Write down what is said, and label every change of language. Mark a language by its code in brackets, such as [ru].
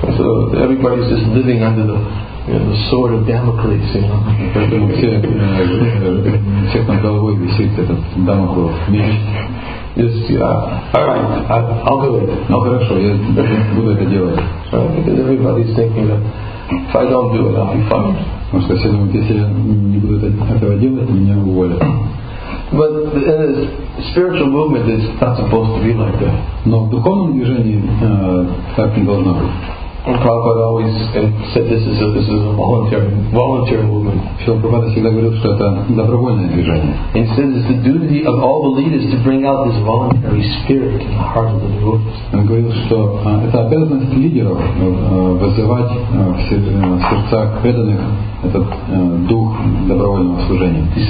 [en] So everybody's just living under the sword of Damocles, [ru] Поэтому все там головой висит этот Дамоклов меч. [en] Yes, yeah. All right, I'll do it. No, [ru] хорошо, я буду это делать. [en] Because everybody's thinking that if I don't do it, I'll be fired. [ru] Потому что все думают, если я не буду этого делать, меня уволят. [en] But the spiritual movement is not supposed to be like that. [ru] Но в духовном движении так не должно быть. [en] Prabhupada always said this is a voluntary movement. [ru] Шрила Прабхупада всегда говорил, что это добровольное движение. [en] He says it's the duty of all the leaders to bring out this voluntary spirit in the heart of the devotees. [ru] Он говорил, что это обязанность лидеров вызывать в сердцах преданных этот дух добровольного служения.